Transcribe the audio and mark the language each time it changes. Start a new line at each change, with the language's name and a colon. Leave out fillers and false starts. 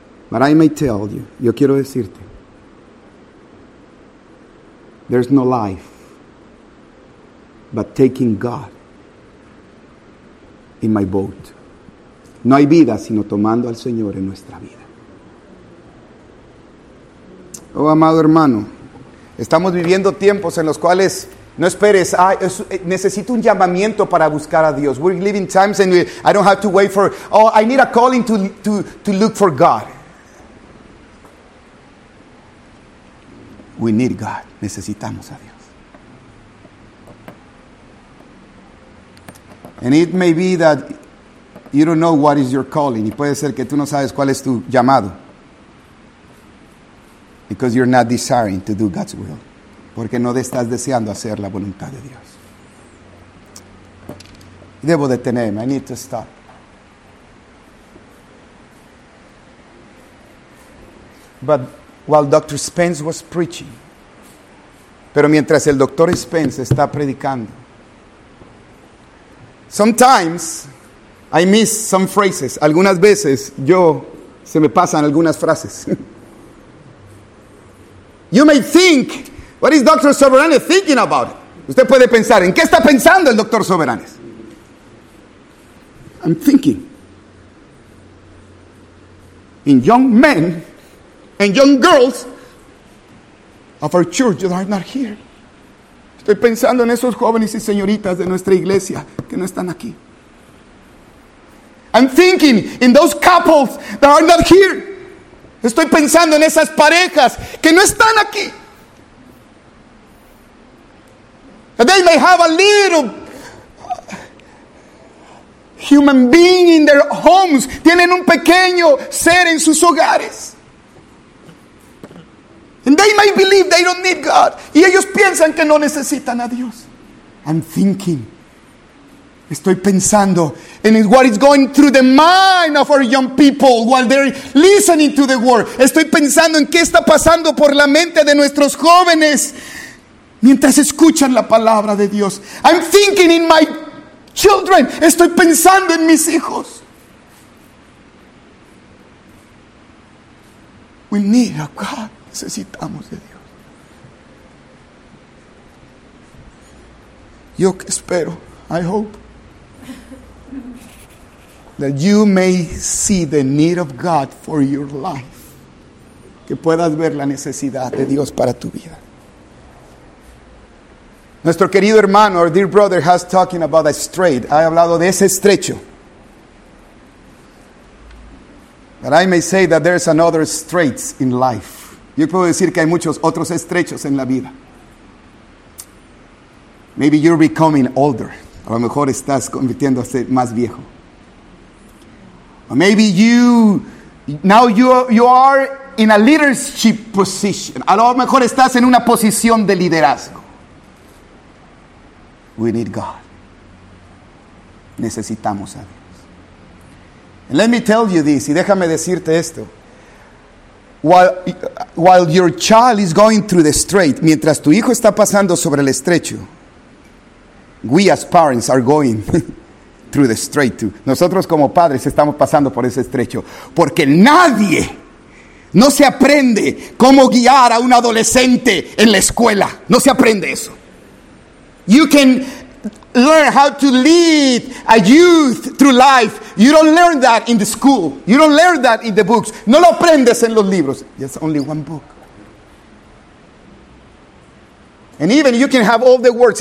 English: But I may tell you,
Spanish: yo quiero decirte,
English: there's no life but taking God in my boat.
Spanish: No hay vida sino tomando al Señor en nuestra vida. Oh, amado hermano, estamos viviendo tiempos en los cuales no esperes, necesito un llamamiento para buscar a Dios.
English: We're living times and I don't have to wait for, oh, I need a calling to look for God. We need God.
Spanish: Necesitamos a Dios.
English: And it may be that you don't know what is your calling.
Spanish: Y puede ser que tú no sabes cuál es tu llamado.
English: Because you're not desiring to do God's will.
Spanish: Porque no estás deseando hacer la voluntad de Dios. Debo detenerme.
English: I need to stop. But while Dr. Spence was preaching,
Spanish: pero mientras el Dr.
English: Spence
Spanish: está predicando,
English: sometimes I miss some phrases.
Spanish: Algunas veces yo se me pasan algunas frases.
English: You may think, what is Dr. Soberanes thinking about?
Spanish: Usted puede pensar, ¿en qué está pensando el Dr. Soberanes?
English: I'm thinking in young men and young girls of our church that are not here.
Spanish: Estoy pensando en esos jóvenes y señoritas de nuestra iglesia que no están aquí.
English: I'm thinking in those couples that are not here.
Spanish: Estoy pensando en esas parejas que no están aquí.
English: They may have a little human being in their homes.
Spanish: Tienen un pequeño ser en sus hogares.
English: And they may believe they don't need God.
Spanish: Y ellos piensan que no necesitan a Dios.
English: I'm thinking.
Spanish: Estoy pensando en
English: what is going through the mind of our young people while they're listening to the word.
Spanish: Estoy pensando en qué está pasando por la mente de nuestros jóvenes mientras escuchan la palabra de Dios.
English: I'm thinking in my children.
Spanish: Estoy pensando en mis hijos.
English: We need a God.
Spanish: Necesitamos de Dios. Yo espero,
English: I hope, that you may see the need of God for your life.
Spanish: Que puedas ver la necesidad de Dios para tu vida. Nuestro querido hermano,
English: our dear brother, has talking about a strait.
Spanish: Ha hablado de ese estrecho.
English: But I may say that there is another strait in life.
Spanish: Yo puedo decir que hay muchos otros estrechos en la vida.
English: Maybe you're becoming older.
Spanish: A lo mejor estás convirtiéndose más viejo.
English: Or maybe you, now you are in a leadership position.
Spanish: A lo mejor estás en una posición de liderazgo.
English: We need God.
Spanish: Necesitamos a Dios.
English: And let me tell you this,
Spanish: y déjame decirte esto.
English: While your child is going through the strait,
Spanish: mientras tu hijo está pasando sobre el estrecho,
English: we as parents are going through the strait too.
Spanish: Nosotros como padres estamos pasando por ese estrecho. Porque nadie, no se aprende cómo guiar a un adolescente en la escuela. No se aprende eso.
English: You can learn how to lead a youth through life. You don't learn that in the school. You don't learn that in the books.
Spanish: No lo aprendes en los libros.
English: It's only one book. And even you can have all the words.